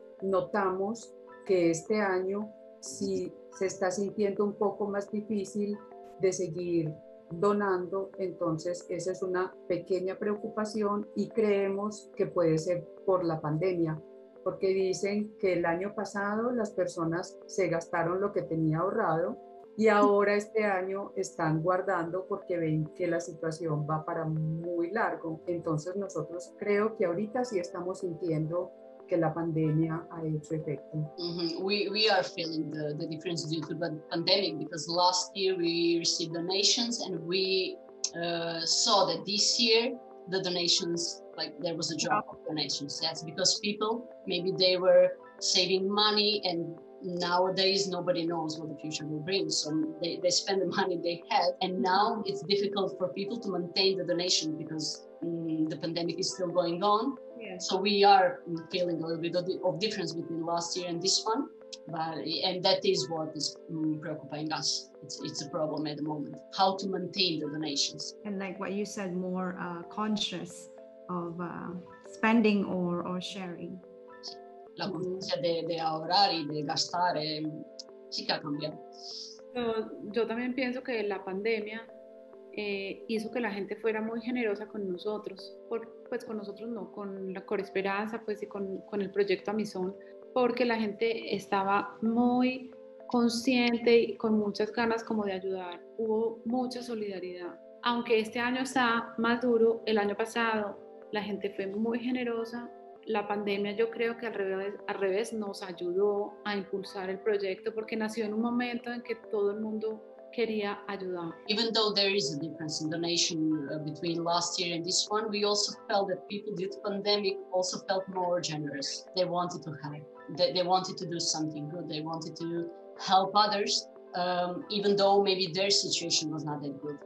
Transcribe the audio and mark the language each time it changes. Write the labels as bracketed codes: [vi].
[es] Notamos que este año sí se está sintiendo un poco más difícil de seguir donando, entonces esa es una pequeña preocupación y creemos que puede ser por la pandemia, porque dicen que el año pasado las personas se gastaron lo que tenía ahorrado y ahora este año están guardando porque ven que la situación va para muy largo. Entonces nosotros creo que ahorita sí estamos sintiendo que la pandemia ha hecho efecto. Mm-hmm. [en] We are feeling the difference due to the pandemic, because last year we received donations and we saw that this year the donations, like there was a drop of donations. That's because people, maybe they were saving money, and nowadays nobody knows what the future will bring. So they spend the money they had, and now it's difficult for people to maintain the donation because the pandemic is still going on. Yes. So we are feeling a little bit of difference between last year and this one, and that is what is preoccupying us. It's a problem at the moment, how to maintain the donations. And like what you said, more conscious of spending or sharing. [es] Sí. La conciencia de ahorrar y de gastar sí que ha cambiado. Yo también pienso que la pandemia hizo que la gente fuera muy generosa con nosotros, con Esperanza, pues, y con el proyecto Amazon, porque la gente estaba muy consciente y con muchas ganas como de ayudar. Hubo mucha solidaridad. Aunque este año está más duro, el año pasado la gente fue muy generosa. La pandemia yo creo que al revés nos ayudó a impulsar el proyecto porque nació en un momento en que todo el mundo quería ayudar. [en] Even though there is a difference in donation between last year and this one, we also felt that people due to pandemic also felt more generous. They wanted to help. They wanted to do something good. They wanted to help others, even though maybe their situation was not that good.